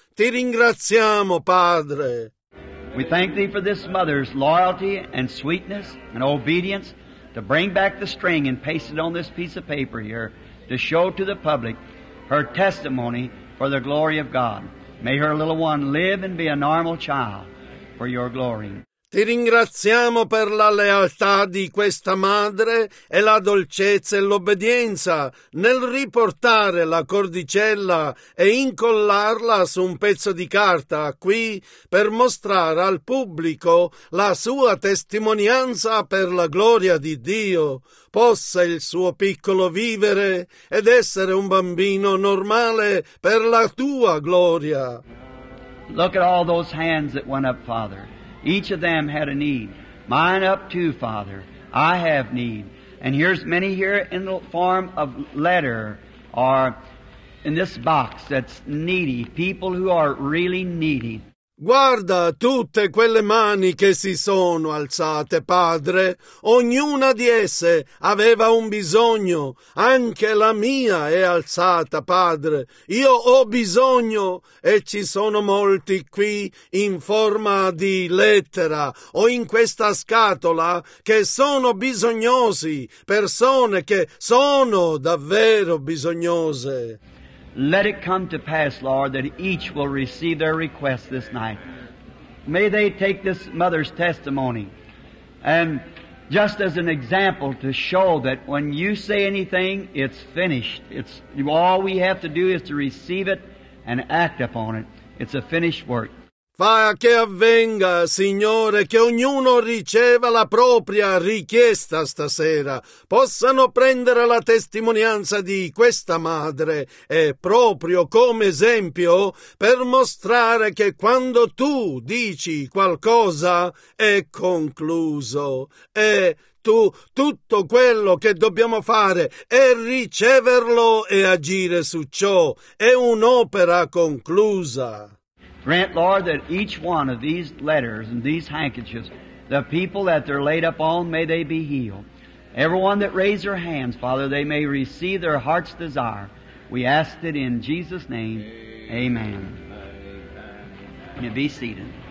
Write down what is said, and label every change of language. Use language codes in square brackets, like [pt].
[it] Ti ringraziamo, Padre. [en] We thank thee for this mother's loyalty and sweetness and obedience to bring back the string and paste it on this piece of paper here to show to the public her testimony for the glory of God. May her little one live and be a normal child for your glory. [it] Ti ringraziamo per la lealtà di questa madre e la dolcezza e l'obbedienza nel riportare la cordicella e incollarla su un pezzo di carta qui per mostrare al pubblico la sua testimonianza per la gloria di Dio. Possa il suo piccolo vivere ed essere un bambino normale per la tua gloria. [en] Look at all those hands that went up, Father. Each of them had a need. Mine up too, Father. I have need. And here's many here in the form of letter or in this box that's needy, people who are really needy. [it] Guarda tutte quelle mani che si sono alzate, Padre. Ognuna di esse aveva un bisogno. Anche la mia è alzata, Padre. Io ho bisogno e ci sono molti qui in forma di lettera o in questa scatola che sono bisognosi, persone che sono davvero bisognose. [en] Let it come to pass, Lord, that each will receive their request this night. May they take this mother's testimony, and just as an example to show that when you say anything, it's finished. It's all we have to do is to receive it and act upon it. It's a finished work. [it] Fa che avvenga, Signore, che ognuno riceva la propria richiesta stasera. Possano prendere la testimonianza di questa madre e proprio come esempio per mostrare che quando tu dici qualcosa è concluso. E tu, tutto quello che dobbiamo fare è riceverlo e agire su ciò. È un'opera conclusa. [en] Grant, Lord, that each one of these letters and these handkerchiefs, the people that they're laid up on, may they be healed. Everyone that raised their hands, Father, they may receive their heart's desire. We ask it in Jesus' name. Amen. You be seated.